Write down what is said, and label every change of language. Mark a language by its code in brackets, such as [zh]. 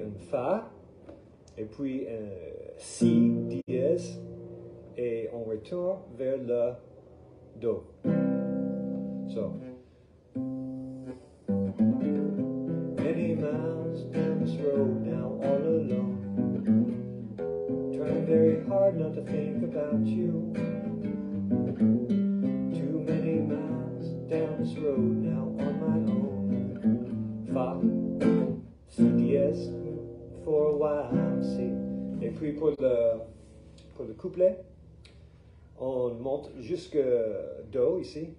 [fr] Fa, et puis si dièse, et on retourne vers le do. [en] So. Many miles down this road now all alone, trying very hard not to think about you. Too many miles down this road now on my own. [fr] Fa, si dièse, [en] for a while, [fr] si. Et puis pour le couplet, on monte jusque do ici.